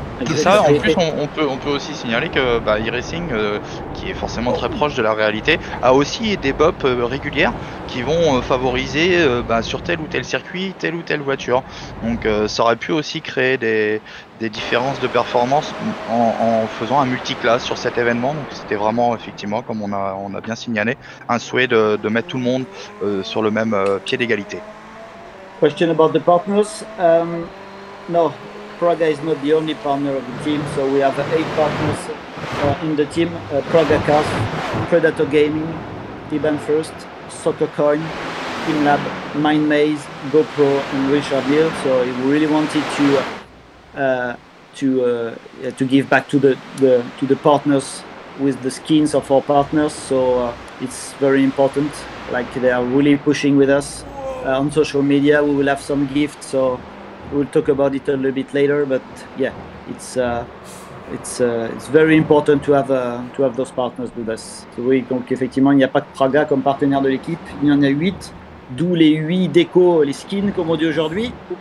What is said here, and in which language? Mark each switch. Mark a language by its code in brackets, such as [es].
[fr] Tout ça, en plus, on peut aussi signaler que e-racing, qui est forcément très proche de la réalité, a aussi des bops régulières qui vont favoriser sur tel ou tel circuit, telle ou telle voiture. Donc ça aurait pu aussi créer des différences de performance en faisant un multiclass sur cet événement. Donc c'était vraiment, effectivement, comme on a bien signalé, un souhait de mettre tout le monde sur le même pied d'égalité. [en] Question about the partners. No. Praga is not the only partner of the team, so we have 8 partners in the team. Praga Cars, Predator Gaming, Iban First, SoccerCoin, TeamLab, MindMaze, GoPro and Richard Neal. So we really wanted to give back to the partners with the skins of our partners, so it's very important. Like, they are really pushing with us on social media. We will have some gifts, so we'll talk about it a little bit later, but yeah, it's very important to have those partners with us. [fr] So, oui, donc effectivement, il n'y a pas que Praga comme partenaire de l'équipe. Il y en a 8, d'où les 8 décos, les skins, comme on dit aujourd'hui.